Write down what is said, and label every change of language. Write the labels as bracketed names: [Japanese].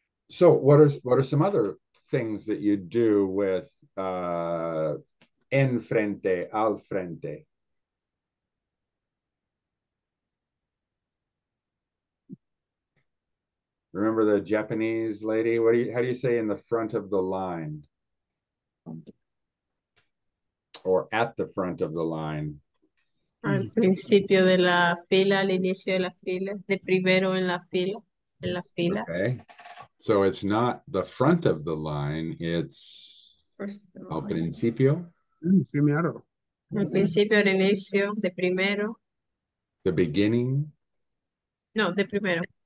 [English] So what are some other things that you do with enfrente, al frente? Remember the Japanese lady? How do you say in the front of the line? Or at the front of the line? [Spanish] Al principio de la fila, al inicio de la fila, de primero en la fila, en la fila. [English] Okay. So it's not the front of the line, it's al principio? [Spanish] Primero. Al principio, al inicio, de primero. [English] The beginning? [Spanish] No, de primero.